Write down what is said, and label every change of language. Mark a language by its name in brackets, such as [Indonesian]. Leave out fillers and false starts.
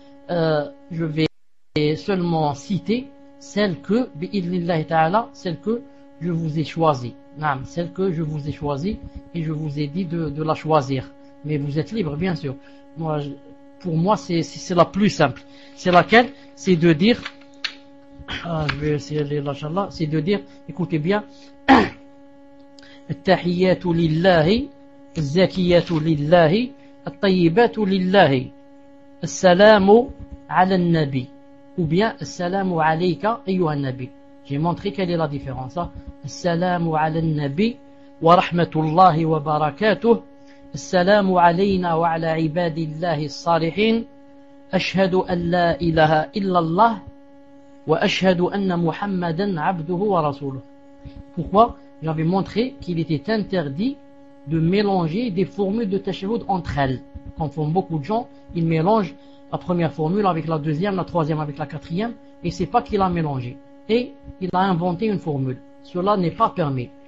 [French] Je vais seulement citer celle que je vous ai choisie. Non, celle que je vous ai choisie et je vous ai dit de la choisir. Mais vous êtes libre, bien sûr. Moi, pour moi, c'est la plus simple. C'est laquelle? C'est de dire. Je vais essayer de lâcher là. C'est de dire, écoutez bien. [Arabic] التحيات لله, الزكية لله, الطيبات لله, السلام على النبي. [French] Ou bien, [Arabic] السلام عليك أيها النبي. [French] J'ai montré quelle est la différence. [Arabic] السلام على النبي ورحمة الله وبركاته السلام علينا وعلى عباد الله الصالحين أشهد أن لا إله إلا الله وأشهد أن محمدا عبده ورسوله. [French] Pourquoi? J'avais montré qu'il était interdit de mélanger des formules de tashahhud entre elles. Conforme beaucoup de gens, ils mélangent la première formule avec la deuxième, la troisième avec la quatrième, et c'est pas qu'il a mélangé. Et il a inventé une formule. Cela n'est pas permis.